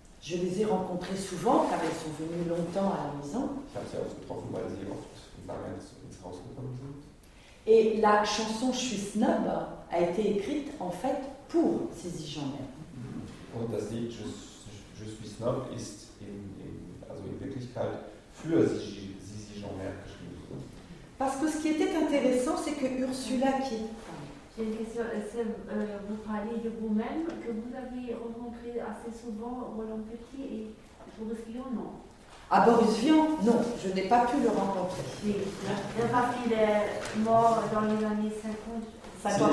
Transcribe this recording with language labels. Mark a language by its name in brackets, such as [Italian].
[French] Je les ai rencontrés souvent, car elles sont venues longtemps à la maison. [German] Ich habe sie oft getroffen, weil sie oft lange ins Haus gekommen sind. [French] Et la chanson Je suis snob a été écrite en fait pour Zizi Jeanmaire. [German] Und das Lied Je suis snob ist in Wirklichkeit für Zizi Jeanmaire geschrieben. [French] Parce que ce qui était intéressant, c'est que Ursula qui... J'ai une question, vous parliez de vous-même, que vous avez rencontré assez souvent Roland Petit et Boris Vian, non? Ah, Boris Vian, non, je n'ai pas pu le rencontrer. Oui, parce qu'il est mort dans les années 50.